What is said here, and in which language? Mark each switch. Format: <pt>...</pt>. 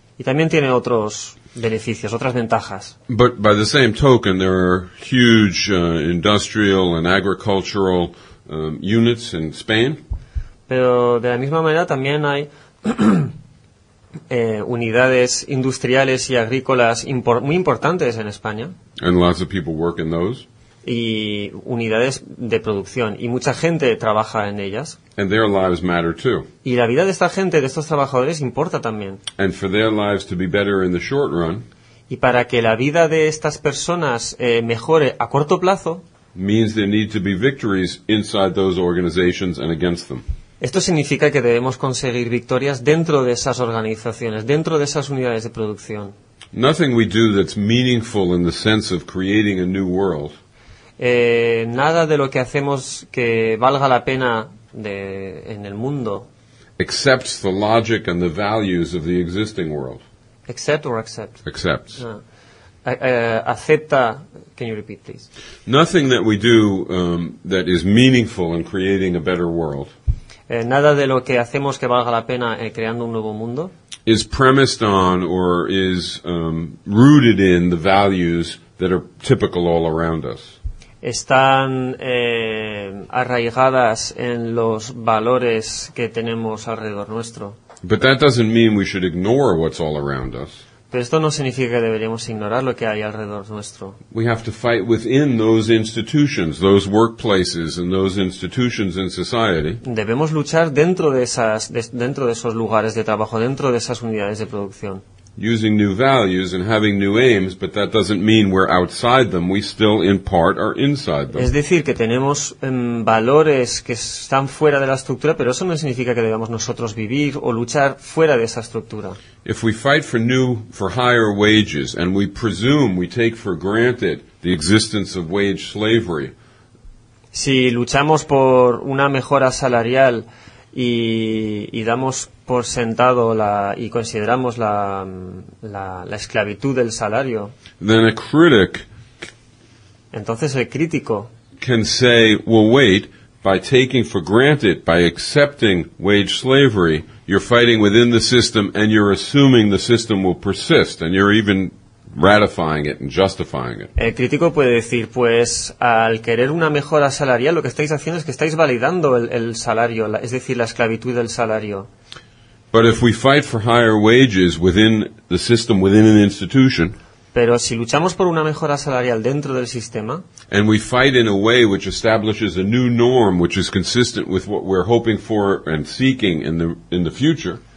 <es>Y también tiene otros beneficios, otras ventajas.</es> <en>But by the same token, there are huge industrial and agricultural units in Spain.</en> <es>Pero de la misma manera también hay unidades industriales y agrícolas muy importantes en España.</es> <en>And lots of people work in those.</en> <es>y unidades de producción, y mucha gente trabaja en ellas.</es> <en>And their lives matter too.</en> <es>Y la vida de esta gente, de estos trabajadores, importa también.</es> <en>And for their lives to be better in the short run,</en> <es>y para que la vida de estas personas mejore a corto plazo,</es> <en>means there need to be victories inside those organizations and against them.</en> <es>Esto significa que debemos conseguir victorias dentro de esas organizaciones, dentro de esas unidades de producción.</es> <en>Nothing we do that's meaningful in the sense of creating a new world.</en> <es>Nada de lo que hacemos que valga la pena de, en el mundo.</es> <en>Accepts the logic and the values of the existing world. Accept or accept? Accepts. Acepta. Can you repeat, please? Nothing that we do that is meaningful in creating a better world.</en> <es>Nada de lo que hacemos que valga la pena creando un nuevo mundo.</es> <en>Is premised on or is rooted in the values that are typical all around us.</en> <es>Están arraigadas en los valores que tenemos alrededor nuestro.</es> <en>But that doesn't mean we should ignore what's all around us.</en> <es>Pero esto no significa que deberíamos ignorar lo que hay alrededor nuestro.</es> <en>We have to fight within those institutions, those workplaces and those institutions in society.</en> <es>Debemos luchar dentro de esos lugares de trabajo, dentro de esas unidades de producción.</es> <en>Using new values and having new aims, but that doesn't mean we're outside them. We still, in part, are inside them.</en> <es>Es decir, que tenemos valores que están fuera de la estructura, pero eso no significa que debamos nosotros vivir o luchar fuera de esa estructura.</es> <en>If we fight for new, for higher wages, and we presume, we take for granted the existence of wage slavery.</en> <es>Si luchamos por una mejora salarial y damos por sentado y consideramos la esclavitud del salario.</es> <en>Then a critic,</en> <es>entonces el crítico,</es> <en>can say, well, wait, by taking for granted, by accepting wage slavery, you're fighting within the system and you're assuming the system will persist and you're even ratifying it and justifying it.</en> <es>El crítico puede decir, pues, al querer una mejora salarial, lo que estáis haciendo es que estáis validando el salario, es decir, la esclavitud del salario.</es> <en>But if we fight for higher wages within the system, within an institution,</en> <es>pero si luchamos por una mejora salarial dentro del sistema,</es> <en>and we fight in a way which establishes a new norm, which is consistent with what we're hoping for and seeking in the future,</en>